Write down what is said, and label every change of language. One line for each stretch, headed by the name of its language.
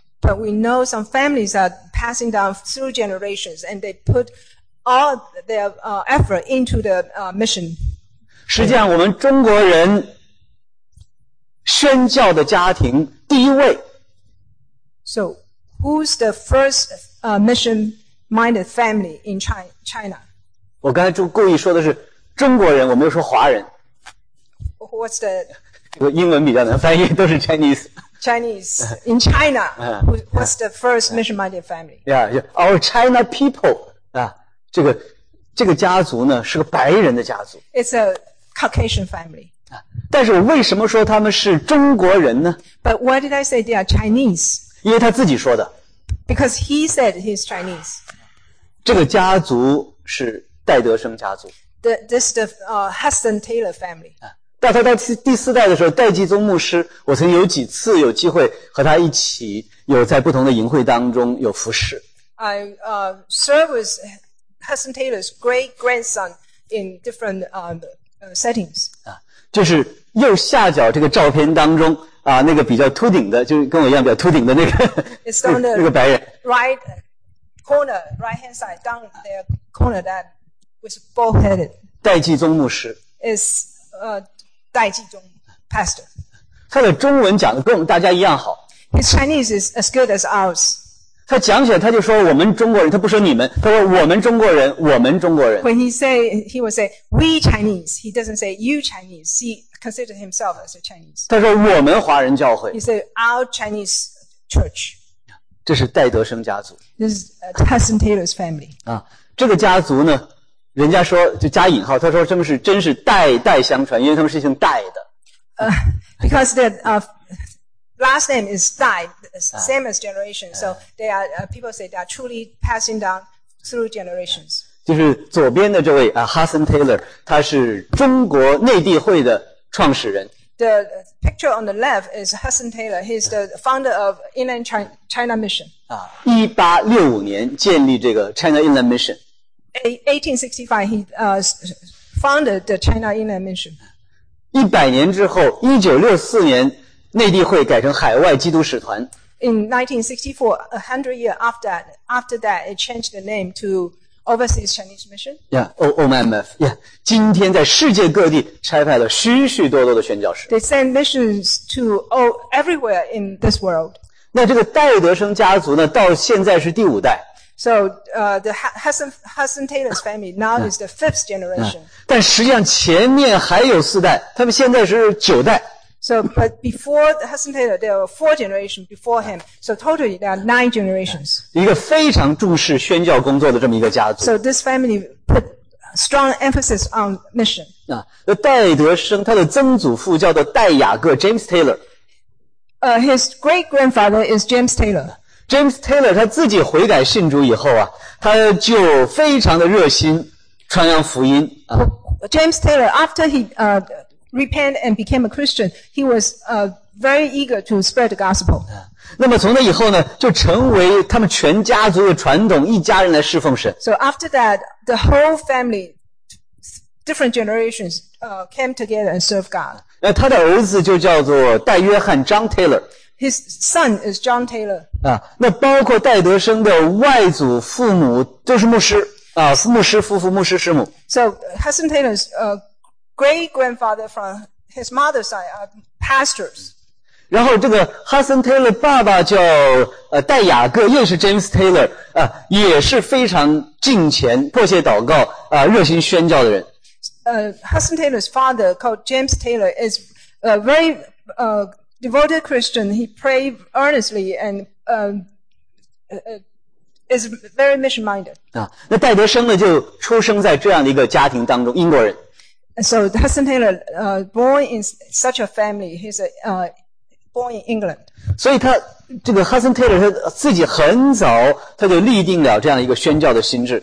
English: But we know some families are passing down through generations and they put all their effort into the mission.
Chinese: 实际上我们中国人宣教的家庭第一位。
English: So who's the first mission? Minded family in China.
Chinese: 我刚才故意说的是中国人，我没有说华人。
English: What's the?
Chinese: 英文比较难翻译，都是 Chinese.
English: Chinese in China. What's the first mission-minded family? Yeah, our China people.
Chinese: 这个家族呢是个白人的家族。
English: It's a Caucasian family.
Chinese: 但是我为什么说他们是中国人呢
English: ？But why did I say they are Chinese?
Chinese: 因为他自己说的。
English: Because he said he's Chinese.
Chinese: 这个家族是戴德生家族。
English: This is the Hudson Taylor family.
Chinese: 到他到第四代的时候，戴季宗牧师，我曾有几次有机会和他一起有在不同的营会当中有服侍。
English: I serve with Hudson Taylor's great grandson in different settings.
Chinese: 就是右下角这个照片当中。那个比较秃顶的，就跟我一样比较秃顶的那个
English: It's on the
Chinese: 那个白人
English: right corner, right hand side, down there corner that was bald-headed.
Chinese: 戴季宗牧师
English: is 戴季宗 pastor.
Chinese: 他的中文讲的跟我们大家一样好。
English: His Chinese is as good as ours.
Chinese: 他讲起来他就说我们中国人，他不说你们，他说我们中国人，我们中国人。
English: When he would say we Chinese, he doesn't say you Chinese. See. Considered himself as a Chinese.
Chinese: 他说我们华人教会。
English: He said our Chinese church.
Chinese: 这是戴德生家族。
English: This is Hudson Taylor's family.
Chinese: 这个家族呢，人家说就加引号，他说真是代代相传，因为他们是姓戴的。
English: Because their last name is Dai, same as generation. So they are people say they are truly passing down through generations.
Chinese: 就是左边的这位Hudson Taylor, 他是中国内地会的。创始人。
English: The picture on the left is Hudson Taylor. He's the founder of Inland China Mission.
Chinese: 1865年建立这个 China Inland Mission.
English: 1865, he founded the China Inland Mission.
Chinese: 100年之后 ,1964 年内地会改成海外基督使团。
English: In 1964, 100 years after that, it changed the name to Overseas Chinese Mission? Yeah, OMF. Yeah.
Chinese: 今天在世界各地拆派了许许多多的宣教士。
English: They send missions to all, everywhere in this world.
Chinese: 那这个戴德生家族呢到现在是第五代。
English: So, the Hudson Taylor's family now is the fifth generation.
Chinese: 但实际上前面还有四代，他们现在是九代。
English: So, but before the Hudson Taylor, there were four generations before him. So totally, there are nine generations.
Chinese: 一个非常重视宣教工作的这么一个家族。
English: So this family put strong emphasis on mission.
Chinese: 戴德生他的曾祖父叫做戴雅各 James Taylor.
English: His great grandfather is James Taylor.
Chinese: James Taylor 他自己悔改信主以后啊，他就非常的热心传扬福音啊。
English: James Taylor, after he repented and became a Christian, he was very eager to spread the gospel.
Chinese: 那么从那以后呢，就成为他们全家族的传统，一家人来侍奉神。
English: So after that, the whole family, different generations, came together and served God.
Chinese: 那他的儿子就叫做戴约翰张 Taylor。
English: His son is John Taylor.
Chinese: 啊，那包括戴德生的外祖父母都是牧师啊，牧师夫妇、牧师师母。
English: So Hudson Taylor's great grandfather from his mother's side are pastors.
Chinese: 然后这个 Hudson Taylor 爸爸叫戴雅各，又是 James Taylor 啊，也是非常敬虔、迫切祷告啊、热心宣教的人。
English: Hudson Taylor's father called James Taylor is very devoted Christian, he prayed earnestly and is very mission-minded.
Chinese: 啊，那戴德生呢，就出生在这样的一个家庭当中，英国人。
English: So Hudson Taylor, born in such a family, he's born in England.
Chinese: 所以他这个 Hudson Taylor 他自己很早他就立定了这样一个宣教的心志。